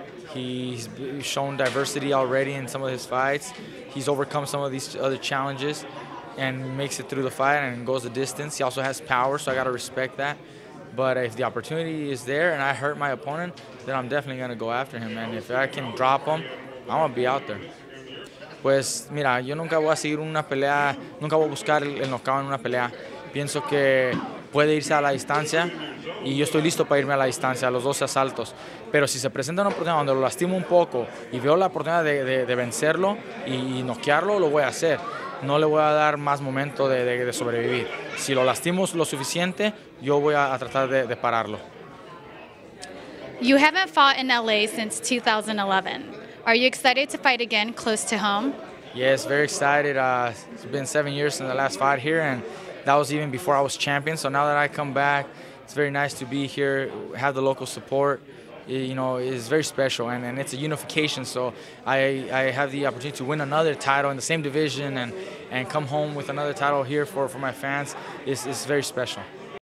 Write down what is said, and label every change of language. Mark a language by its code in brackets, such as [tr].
[en] He's shown diversity already in some of his fights. He's overcome some of these other challenges and makes it through the fight and goes the distance. He also has power, so I got to respect that. But if the opportunity is there and I hurt my opponent, then I'm definitely going to go after him. And if I can drop him, I'm going to be out there. [es] Pues, mira, yo nunca voy a seguir una pelea, nunca voy a buscar el knockout en una pelea. Pienso que puede irse a la distancia y yo estoy listo para irme a la distancia, a los 12 asaltos. Pero si se presenta una oportunidad donde lo lastimo un poco y veo la oportunidad de vencerlo y noquearlo, lo voy a hacer. No le voy a dar más momento de sobrevivir. Si lo lastimos lo suficiente, yo voy a tratar de pararlo. [en] You haven't fought in LA since 2011. Are you excited to fight again close to home? Yes, very excited. It's been 7 years since the last fight here, and that was even before I was champion. So now that I come back, it's very nice to be here, have the local support. You know, it's very special, and it's a unification, so I have the opportunity to win another title in the same division and come home with another title here for my fans. It's very special.